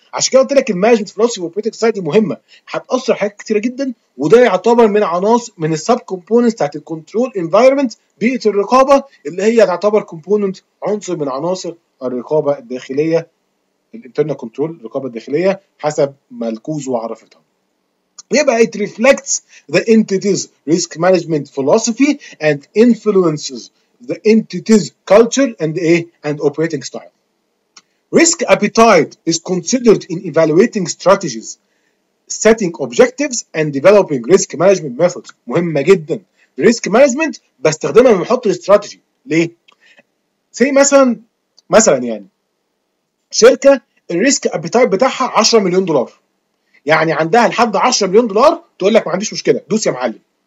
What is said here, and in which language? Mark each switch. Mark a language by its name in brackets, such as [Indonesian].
[Arabic] عشان كده قلت لك المانجمنت فيلوسفي اوبريتنج ستايل دي مهمه، هتاثر حاجات كتيره جدا، وده يعتبر من عناصر من السب كومبوننتس بتاعت الكنترول انفايرمنت، بيئه الرقابه اللي هي تعتبر كومبوننت عنصر من عناصر الرقابه الداخليه الانترنال كنترول الرقابه الداخليه حسب ما الكوزو عرفتها. [English] يبقى it reflects the entity's risk management philosophy and influences the entity's culture and operating style. Risk appetite is considered in evaluating strategies, setting objectives and developing risk management methods. [Arabic] مهمة جدا risk management، بستخدمها لما احط الاستراتيجي. ليه؟ زي مثلا يعني شركة الريسك appetite بتاعها 10 مليون دولار، يعني عندها لحد 10 مليون دولار تقول لك ما عنديش مشكلة دوس يا معلم.